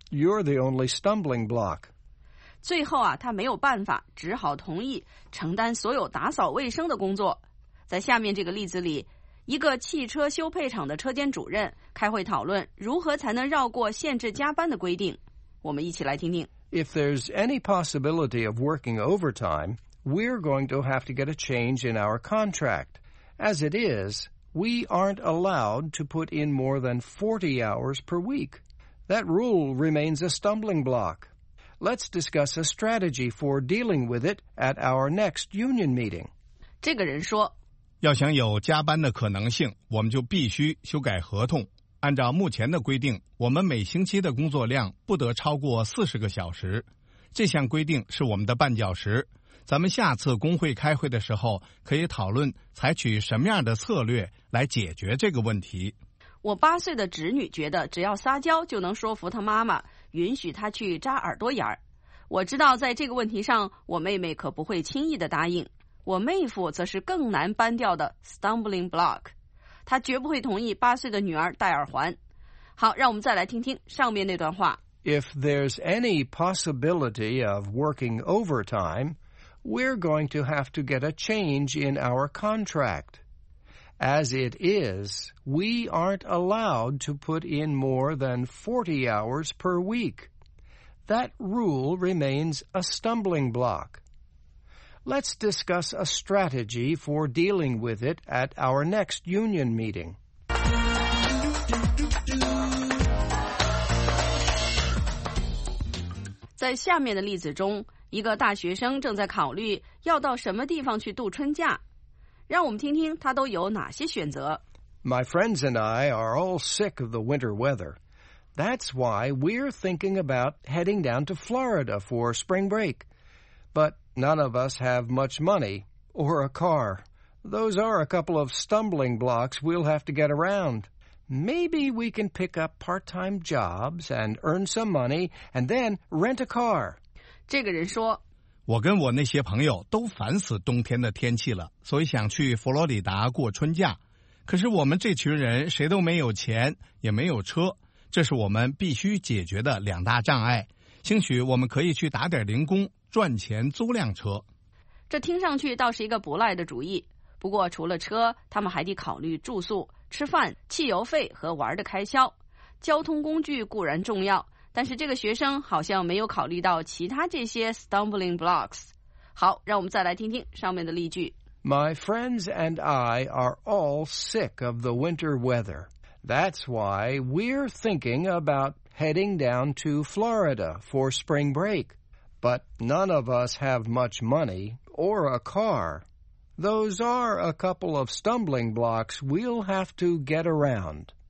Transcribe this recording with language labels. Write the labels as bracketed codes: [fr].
[en] You're the only stumbling block. [zh] 最后啊，他没有办法，只好同意承担所有打扫卫生的工作。在下面这个例子里，一个汽车修配厂的车间主任开会讨论如何才能绕过限制加班的规定。我们一起来听听。 [en] If there's any possibility of working overtime, we're going to have to get a change in our contract. As it is, we aren't allowed to put in more than 40 hours per week. That rule remains a stumbling block. Let's discuss a strategy for dealing with it at our next union meeting. [zh] 这个人说，要想有加班的可能性，我们就必须修改合同。按照目前的规定，我们每星期的工作量不得超过40个小时。这项规定是我们的绊脚石。咱们下次工会开会的时候，可以讨论采取什么样的策略来解决这个问题。我8岁的侄女觉得只要撒娇就能说服她妈妈，允许她去扎耳朵眼儿。我知道在这个问题上，我妹妹可不会轻易的答应。我妹夫则是更难搬掉的 stumbling block。他绝不会同意8岁的女儿戴耳环。好，让我们再来听听上面那段话。 [en] If there's any possibility of working overtime, we're going to have to get a change in our contract. As it is, we aren't allowed to put in more than 40 hours per week. that rule remains a stumbling block. Let's discuss a strategy for dealing with it at our next union meeting. [zh] 在下面的例子中，一个大学生正在考虑要到什么地方去度春假。让我们听听他都有哪些选择。 [en] My friends and I are all sick of the winter weather. That's why we're thinking about heading down to Florida for spring break. But none of us have much money or a car. Those are a couple of stumbling blocks we'll have to get around. Maybe we can pick up part-time jobs and earn some money and then rent a car. [zh] 这个人说，我跟我那些朋友都烦死冬天的天气了，所以想去佛罗里达过春假。可是我们这群人谁都没有钱，也没有车，这是我们必须解决的两大障碍。兴许我们可以去打点零工，赚钱租辆车。这听上去倒是一个不赖的主意。不过除了车，他们还得考虑住宿、吃饭、汽油费和玩的开销。交通工具固然重要，但是这个学生好像没有考虑到其他这些 stumbling blocks。好，让我们再来听听上面的例句。 [en] My friends and I are all sick of the winter weather. That's why we're thinking about heading down to Florida for spring break. But none of us have much money or a car. Those are a couple of stumbling blocks we'll have to get around.